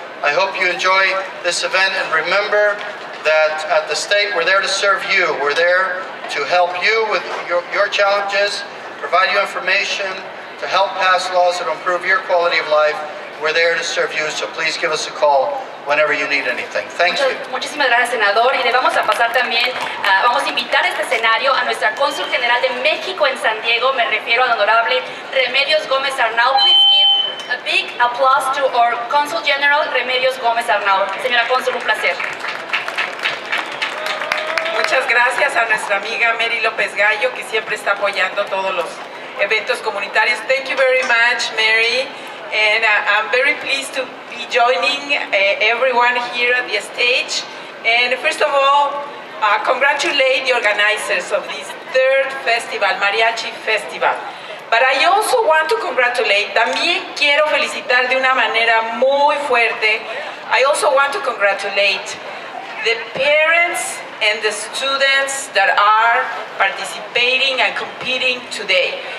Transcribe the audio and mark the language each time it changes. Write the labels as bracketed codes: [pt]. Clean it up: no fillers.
[en] I hope you enjoy this event, and remember that at the state, we're there to serve you. We're there to help you with your challenges, provide you information, to help pass laws that improve your quality of life. We're there to serve you, so please give us a call whenever you need anything. Thank you. [es] Muchísimas gracias, senador. Y le vamos a pasar también, vamos a invitar a este escenario a nuestra cónsul general de México en San Diego. Me refiero al honorable Remedios Gómez Arnau. [en] Please give a big applause to our consul general, Remedios Gómez Arnau. [es] Señora cónsul, un placer. Muchas gracias a nuestra amiga Mary López Gallo, que siempre está apoyando todos los eventos comunitarios. [en] Thank you very much, Mary, and I'm very pleased to be joining everyone here at the stage. And first of all, congratulate the organizers of this third festival, Mariachi Festival. But I also want to congratulate, [es] también quiero felicitar de una manera muy fuerte, [en] I also want to congratulate the parents and the students that are participating and competing today.